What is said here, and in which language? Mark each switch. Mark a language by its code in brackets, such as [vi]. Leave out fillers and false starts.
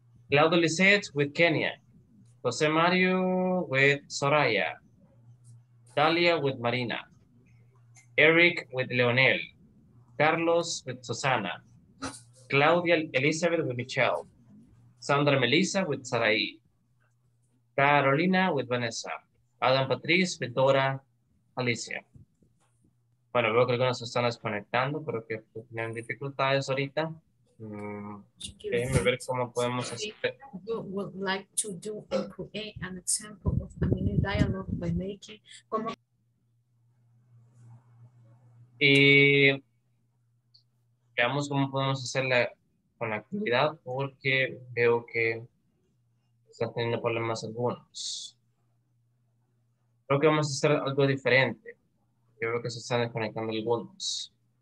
[en] Claudia Lisette with Kenya, Jose Mario with Soraya, Dalia with Marina, Eric with Leonel, Carlos with Susana, Claudia Elizabeth with Michelle, Sandra Melissa with Sarai, Carolina with Vanessa, Adam Patrice with Dora, Alicia. [es] Bueno, veo que algunas se están desconectando, pero que tienen dificultades ahorita. Déjenme ver cómo podemos hacer. [en] You would like to do and create an example of a mini dialogue by making como. [es] Y veamos cómo podemos hacerla con la actividad, porque veo que están teniendo problemas algunos. Creo que vamos a hacer algo diferente. Yo creo que se están desconectando algunos.